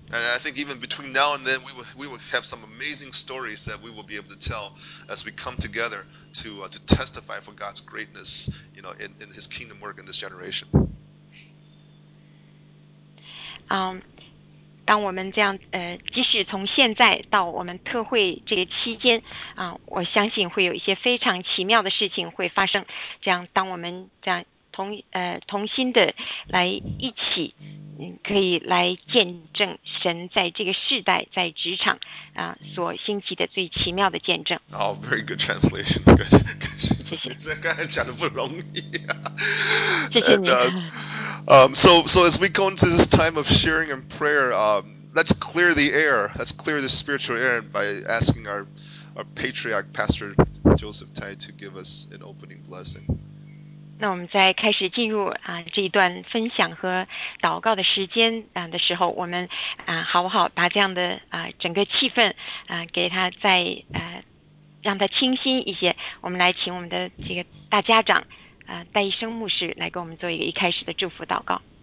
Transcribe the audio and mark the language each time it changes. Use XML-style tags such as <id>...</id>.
<en>And I think even between now and then, we will have some amazing stories that we will be able to tell as we come together to testify for God's greatness, you know, in His kingdom work in this generation.</en> <zh>当我们这样即使从现在到我们特会这个期间我相信会有一些非常奇妙的事情会发生，这样当我们这样同心的来一起可以来见证神在这个世代在职场所兴起的最奇妙的见证。</zh> <en>Oh, very good translation.</en> <zh>这刚才讲的不容易谢谢你。</zh> <en>So as we go into this time of sharing and prayer, let's clear the air, let's clear the spiritual air by asking our patriarch, Pastor Joseph Tai, to give us an opening blessing.</en> <zh>那我们在开始进入这一段分享和祷告的时间的时候，我们好不好把这样的整个气氛给他再让他清新一些。我们来请我们的这个大家长，戴一生牧师来给我们做一个一开始的祝福祷告。</zh>